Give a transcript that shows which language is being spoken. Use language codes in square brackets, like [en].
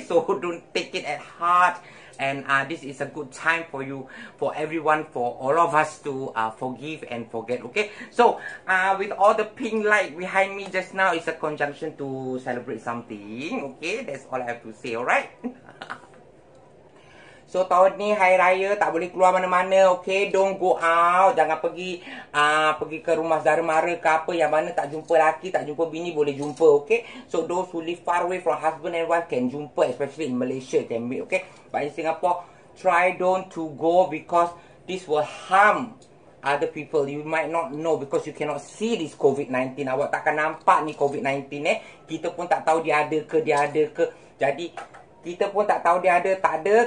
[en] So, don't take it at heart. And this is a good time for you, for everyone, for all of us to forgive and forget, okay? So, with all the pink light behind me just now, it's a conjunction to celebrate something, okay? That's all I have to say, alright? [ms] So, tahun ni Hari Raya tak boleh keluar mana-mana, okay? [en] Don't go out. [ms] Jangan pergi pergi ke rumah saudara-mara ke apa yang mana tak jumpa laki, tak jumpa bini, boleh jumpa, okay? [en] So, those who live far away from husband and wife can jumpa, especially in Malaysia, can meet, okay? But in Singapore, try don't to go because this will harm other people. You might not know because you cannot see this COVID-19. [ms] Awak takkan nampak ni COVID-19, eh? Kita pun tak tahu dia ada ke. Jadi, kita pun tak tahu dia ada, tak ada.